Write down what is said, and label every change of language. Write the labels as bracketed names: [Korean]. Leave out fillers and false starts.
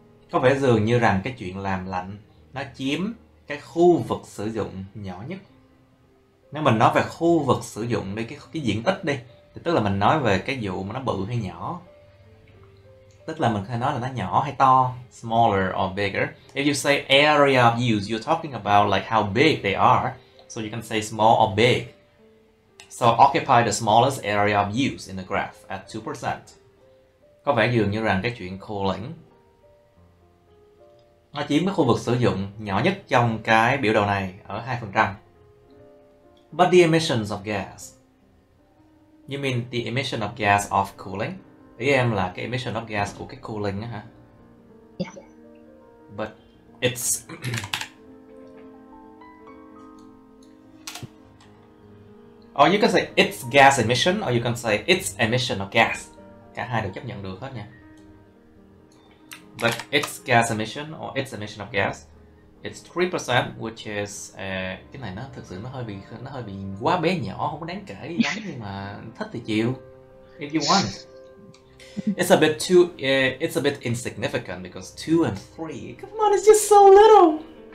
[Vietnamese] Có vẻ dường như rằng cái chuyện làm lạnh nó chiếm cái khu vực sử dụng nhỏ nhất. Nếu mình nói về khu vực sử dụng đi, cái diện tích đi, thì tức là mình nói về cái vụ mà nó bự hay nhỏ. Tức là mình có thể nói là nó nhỏ hay to. [English] Smaller or bigger. If you say area of use, you're talking about like how big they are. So you can say small or big. So occupy the smallest area of use in the graph at 2%. [Vietnamese] Có vẻ dường như rằng cái chuyện cooling nó chiếm cái khu vực sử dụng nhỏ nhất trong cái biểu đồ này ở 2%. [English] But the emissions of gas. You mean the emission of gas of cooling? [Vietnamese] Ý em là cái emission of gas của cái cooling á hả? [English] Yeah. But it's... Or you can say it's gas emission, or you can say it's emission of gas. [Vietnamese] Cả hai đều chấp nhận được hết nha. [English] But its gas emission or its emission of gas, it's 3%, which is [Vietnamese] cái này nó thực sự nó hơi bị quá bé nhỏ, không có đáng kể gì lắm, nhưng mà thích thì chịu. [English] If you want, it's a bit too it's a bit insignificant because 2 and 3, come on, it's just so little.